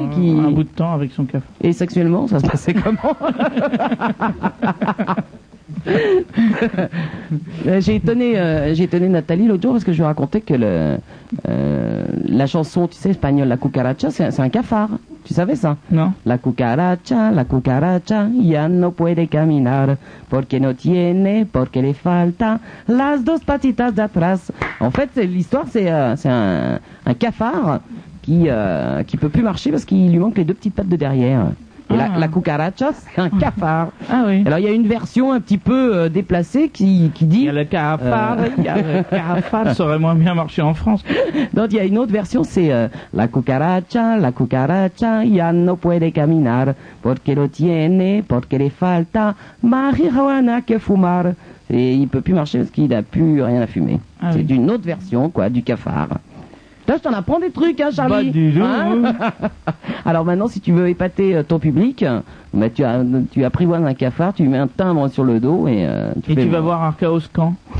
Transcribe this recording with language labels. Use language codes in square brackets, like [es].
[fr] Un bout de temps avec son cafard. Et sexuellement, ça se passait comment? j'ai étonné Nathalie l'autre jour parce que je lui racontais que la chanson, tu sais, espagnole, La Cucaracha, c'est un cafard. Tu savais ça? Non. [es] La cucaracha, ya no puede caminar, porque no tiene, porque le falta, las dos patitas de atrás. [fr] En fait, c'est un cafard qui peut plus marcher parce qu'il lui manque les deux petites pattes de derrière. Et la cucaracha, c'est un cafard. Ah oui. Alors, il y a une version un petit peu déplacée qui dit... Il y a le cafard, le cafard, ça aurait moins bien marché en France. Donc, il y a une autre version, c'est... [es] la cucaracha, ya no puede caminar, porque lo tiene, porque le falta, marijuana que fumar. [fr] Et il ne peut plus marcher parce qu'il n'a plus rien à fumer. Ah c'est oui. D'une autre version, quoi, du cafard. Là, je t'en apprends des trucs, hein, Charlie. Bah, du tout. Hein. Alors maintenant, si tu veux épater ton public, bah, tu apprivoises un cafard, tu mets un timbre sur le dos et... Tu vas voir Arcaos quand?